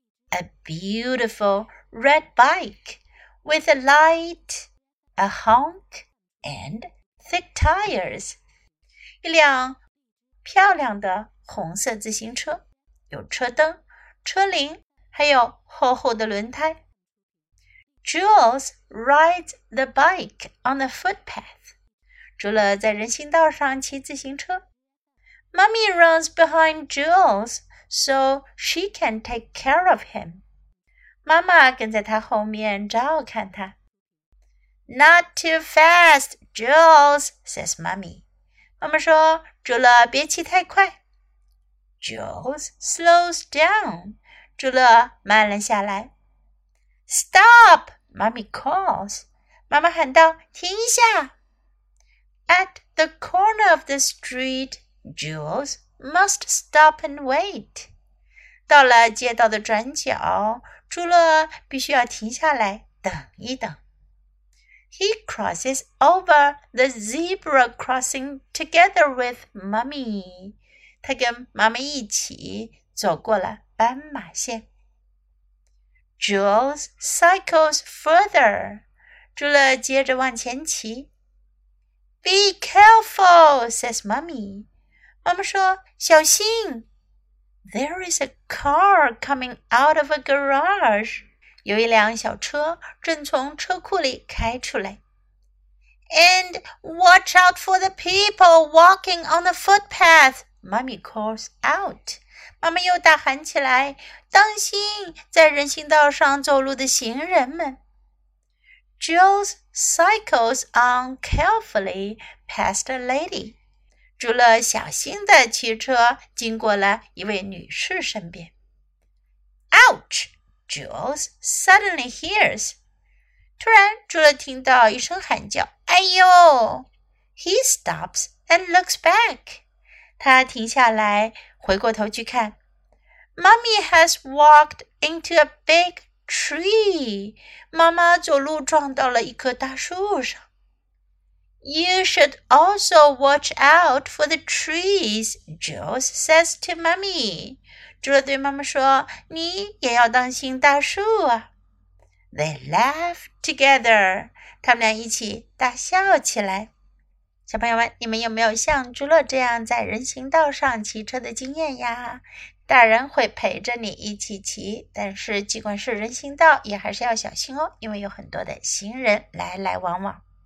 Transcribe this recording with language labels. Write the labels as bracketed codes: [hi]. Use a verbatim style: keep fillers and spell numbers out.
[en] A beautiful red bike with a light, a honk, and thick tires. [zh] 一辆漂亮的红色自行车，有车灯、车铃，还有厚厚的轮胎。 [en] Jules rides the bike on the footpath. [zh] 朱乐在人行道上骑自行车。 [en] Mommy runs behind Jules so she can take care of him. [zh] 妈妈跟在他后面照看他。 [en] Not too fast, Jules, says Mommy. [zh] 妈妈说，朱乐别骑太快。 [en] Jules slows down. [zh] 朱乐慢了下来。 [en] Stop! Mommy calls. [zh] 妈妈喊道，停一下。 [en] At the corner of the street, Jules must stop and wait. [zh] 到了街道的转角，朱乐必须要停下来等一等。 [en] He crosses over the zebra crossing together with Mommy. [zh] 他跟妈妈一起走过了斑马线。 [en] Jules cycles further. [zh] 朱乐接着往前骑。 [en] Be careful, says Mommy. [zh] 妈妈说，小心。 [en] There is a car coming out of a garage. [zh] 有一辆小车正从车库里开出来。 [en] And watch out for the people walking on the footpath, Mommy calls out. [zh] 妈妈又大喊起来，当心在人行道上走路的行人们。 [en] Jules cycles on carefully past a lady. [zh] 朱乐小心地骑车经过了一位女士身边。 [en] Ouch! Jules suddenly hears. [zh] 突然，朱乐听到一声喊叫，哎呦！ [en] He stops and looks back. [zh] 他停下来，回过头去看。 [en] Mommy has walked into a big tree. [zh] 妈妈走路撞到了一棵大树上。 [en] You should also watch out for the trees, Jules says to Mommy. [zh] 朱乐对妈妈说，你也要当心大树啊。 [en] They laugh together. [zh] 他们俩一起大笑起来。小朋友们，你们有没有像朱乐这样在人行道上骑车的经验呀？大人会陪着你一起骑，但是尽管是人行道，也还是要小心哦，因为有很多的行人来来往往。